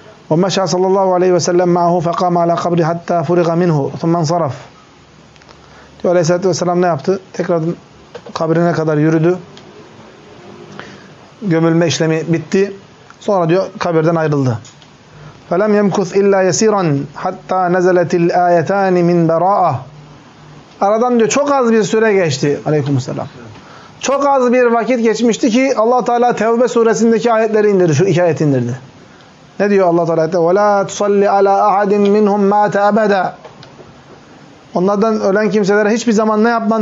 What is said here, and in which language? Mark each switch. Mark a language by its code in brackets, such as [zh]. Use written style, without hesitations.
[ar] وَمَشَى صَلَّى اللّٰهُ عَلَيْهِ وَسَلَّمْ مَعَهُ فَقَامَ عَلَى قَبْرِ حَتَّى فُرِغَ مِنْهُ ثُمَّنْ صَرَفْ. [tr] Diyor aleyhissalatü vesselam ne yaptı? Tekrar kabrine kadar yürüdü. Gömülme işlemi bitti. Sonra diyor kabirden ayrıldı. [ar] فلم يمكث إلا يسيرا حتى نزلت الآيتان من براءة. [tr] Aradan diyor çok az bir süre geçti. Aleykümselam. Çok az bir vakit geçmişti ki Allah Teala Tevbe suresindeki ayetleri indirdi. Şu iki ayet indirdi. Ne diyor Allah Teala? [ar] وَلَا تُصَلِّ عَلَىٰ أَحَدٍ مِّنْهُمْ مَاتَ أَبَدًا. [tr] Onlardan ölen kimselere hiçbir zaman ne yapma?